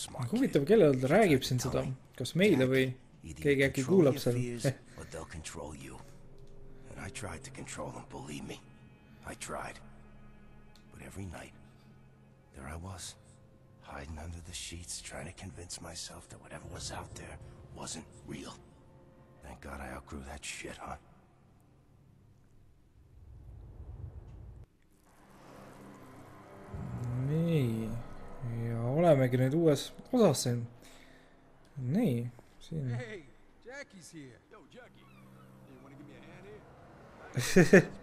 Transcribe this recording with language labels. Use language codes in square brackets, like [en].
[et] Huvitav, kellel ta räägib siin seda? Kas meile või keegi äkki kuulab seal? [en] But every night, there I was, hiding under the sheets, trying to convince myself that whatever was out there wasn't real. Thank God I outgrew that shit, huh? [et] Nii, ja olemegi nüüd uues osas siin. Nii, siin. [en] Hey, Jackie's here. Yo, Jackie, you wanna give me a hand here?